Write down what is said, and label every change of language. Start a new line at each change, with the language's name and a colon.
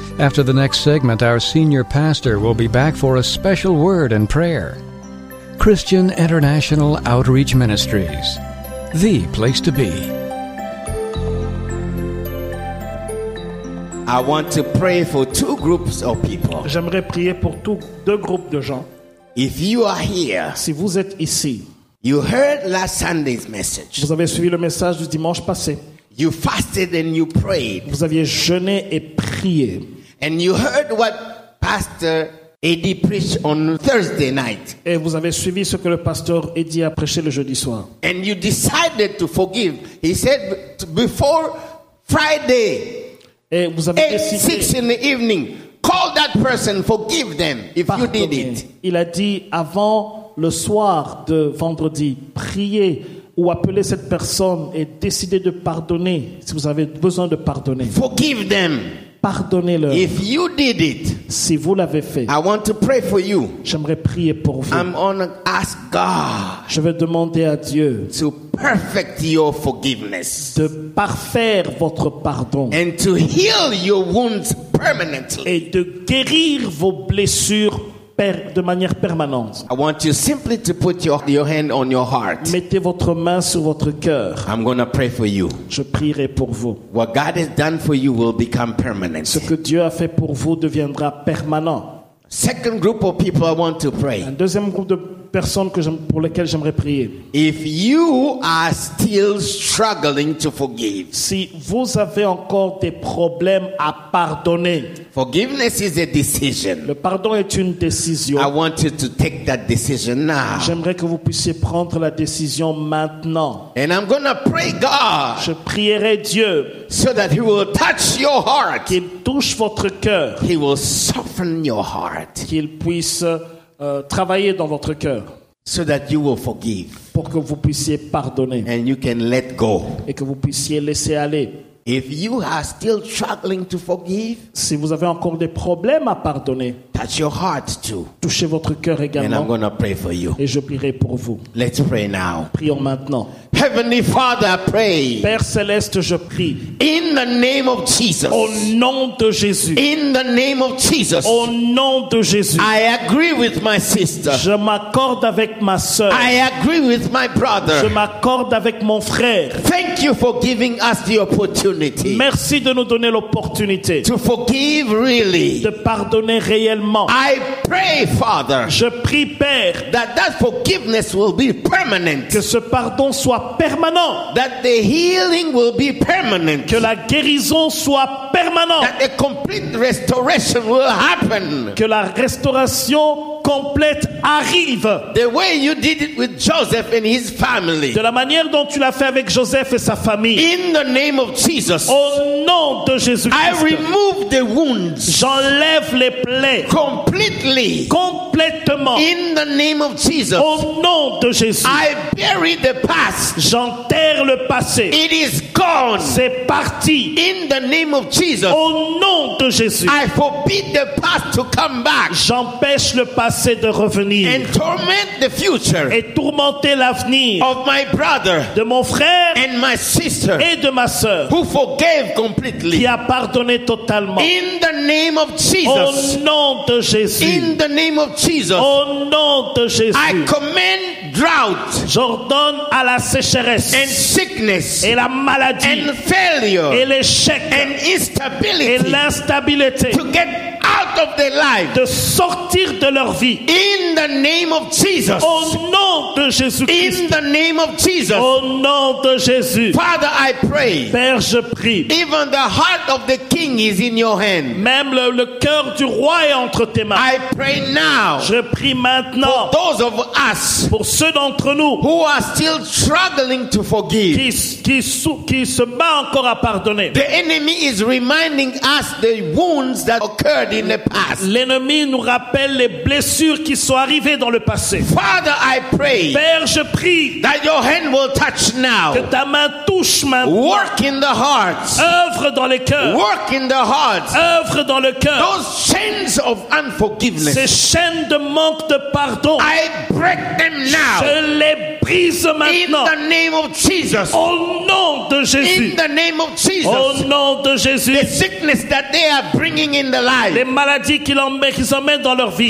English: After the next segment, our senior pastor will be back for a special word and prayer. Christian International Outreach Ministries, the place to be. I want to pray for two groups of people.
French: J'aimerais prier pour deux groupes de gens.
English: If you are here,
French: si vous êtes ici,
English: you heard last Sunday's message.
French: Vous avez suivi le message du dimanche passé.
English: You fasted and you prayed.
French: Vous aviez jeûné et prié.
English: And you heard what Pastor Eddie preached on Thursday night.
French: Et vous avez suivi ce que le pasteur Eddie a prêché le jeudi soir.
English: And you decided to forgive. He said before Friday.
French: Et vous avez décidé,
English: 6 in the evening, call that person, forgive them if
French: pardonner.
English: You did it.
French: Il a dit avant le soir de vendredi, priez ou appelez cette personne et décidez de pardonner si vous avez besoin de pardonner.
English: Forgive them.
French: Pardonnez-leur.
English: If you did it,
French: si vous l'avez fait,
English: I want to pray for you.
French: J'aimerais prier pour vous.
English: I'm gonna ask God.
French: Je vais demander à Dieu.
English: To perfect your forgiveness.
French: De parfaire votre pardon.
English: And to heal your wounds permanently.
French: Et de guérir vos blessures de manière permanente.
English: I want you simply to put your hand on your heart.
French: Mettez votre main sur votre cœur.
English: I'm going to pray for you.
French: Je prierai pour vous.
English: What God has done for you will become permanent.
French: Ce que Dieu a fait pour vous deviendra permanent.
English: Second group of people I want to pray.
French: Un deuxième groupe de personnes pour lesquelles j'aimerais prier.
English: If you are still struggling to forgive.
French: Si vous avez encore des problèmes à pardonner.
English: Forgiveness is a decision.
French: Le pardon est une décision.
English: I want you to take that decision now.
French: J'aimerais que vous puissiez prendre la décision maintenant.
English: And I'm going to pray God.
French: Je prierai Dieu.
English: So that he will touch your heart.
French: Qu'il touche votre cœur.
English: He will soften your heart.
French: Qu'il puisse travailler dans votre cœur.
English: So that you will forgive.
French: Pour que vous puissiez pardonner.
English: And you can let go.
French: Et que vous puissiez laisser aller.
English: If you are still struggling to forgive,
French: si vous avez encore des problèmes à pardonner,
English: touch your heart too.
French: Touchez votre cœur également.
English: And I'm going to pray for you.
French: Et je prierai pour vous.
English: Let's pray now.
French: Prions maintenant.
English: Heavenly Father, I pray.
French: Père céleste, je prie.
English: In the name of Jesus.
French: Au nom de Jésus.
English: In the name of Jesus.
French: Au nom de Jésus.
English: I agree with my sister.
French: Je m'accorde avec ma sœur.
English: I agree with my brother.
French: Je m'accorde avec mon frère.
English: Thank you for giving us the opportunity.
French: Merci de nous donner l'opportunité.
English: To forgive really.
French: De pardonner réellement. pleinement.
English: I pray, Father,
French: je prie, Père,
English: that forgiveness will be permanent.
French: Que ce pardon soit permanent.
English: That the healing will be permanent.
French: Que la guérison soit permanente.
English: That the complete restoration will happen.
French: Que la restauration complète arrive.
English: The way you did it with Joseph and his family.
French: De la manière dont tu l'as fait avec Joseph et sa famille.
English: In the name of Jesus.
French: Au nom de Jésus Christ.
English: I remove the wounds.
French: J'enlève les plaies.
English: Completely.
French: Complètement.
English: In the name of Jesus.
French: Au nom de Jésus.
English: I bury the past.
French: J'enterre le passé.
English: It is gone.
French: C'est parti.
English: In the name of Jesus.
French: Au nom de Jésus.
English: I forbid the past to come back.
French: J'empêche le passé de revenir.
English: And torment the future.
French: Et tourmenter l'avenir.
English: Of my brother.
French: De mon frère.
English: And my sister.
French: Et de ma sœur.
English: Who forgave completely.
French: Qui a pardonné totalement.
English: In the name of Jesus.
French: Au nom de Jésus.
English: In the name of Jesus.
French: Au nom de Jésus.
English: I command drought.
French: J'ordonne à la sécheresse.
English: And sickness.
French: Et la maladie.
English: And failure.
French: Et l'échec.
English: And instability.
French: Et l'instabilité.
English: To get out of their life.
French: De sortir de leur vie.
English: In the name of Jesus.
French: Au nom de Jésus Christ.
English: In the name of Jesus.
French: Au nom de Jésus.
English: Father, I pray.
French: Père, je prie.
English: Even the heart of the king is in your hand.
French: Même le cœur du roi est entre tes mains.
English: I pray now.
French: Je prie maintenant.
English: For those of us.
French: Pour ceux d'entre nous.
English: Who are still struggling to forgive.
French: Qui se bat encore à pardonner.
English: The enemy is reminding us the wounds that occurred in the past.
French: L'ennemi nous rappelle les blessures qui sont arrivées dans le passé.
English: Father, I pray.
French: Père, je prie.
English: That your hand will touch now.
French: Que ta main touche maintenant.
English: Work in the hearts.
French: Œuvre dans les cœurs.
English: Work in the hearts.
French: Œuvre dans le cœur.
English: Those chains of unforgiveness.
French: Ces chaînes de manque de pardon.
English: I break them now.
French: Je les brise maintenant.
English: In the name of Jesus.
French: Au nom de Jésus.
English: In the name of Jesus.
French: Au nom de Jésus.
English: The sickness that they are bringing in the life.
French: Les maladies qu'ils emmènent dans leur vie.